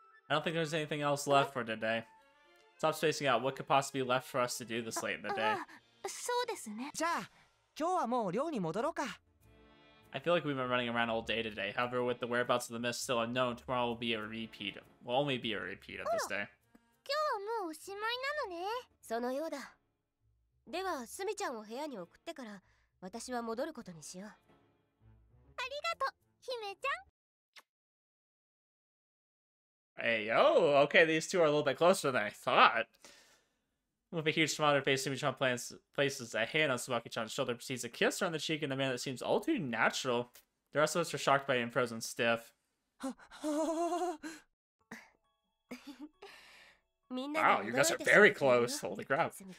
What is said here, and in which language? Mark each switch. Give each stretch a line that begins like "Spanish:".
English: I don't think there's anything else left for today. Stop spacing out. What could possibly be left for us to do this late in the day?
Japanese: そうですね。じゃあ、今日はもう寮に戻ろうか。
English: I feel like we've been running around all day today. However, with the whereabouts of the mist still unknown, tomorrow will be a repeat. Will only be a repeat of this day.
Japanese: 今日はもうおしまいなのね。そのようだ。では、すみちゃんを部屋に送ってから私は戻ることにしよう。ありがとう。
English: Hime-chan. Hey, yo. Okay, these two are a little bit closer than I thought. With a huge smile on her face, Hime-chan places a hand on Tsubaki-chan's shoulder, proceeds to kiss her on the cheek in a manner that seems all too natural. The rest of us are shocked by him frozen stiff. Wow, you guys are very close. Holy crap.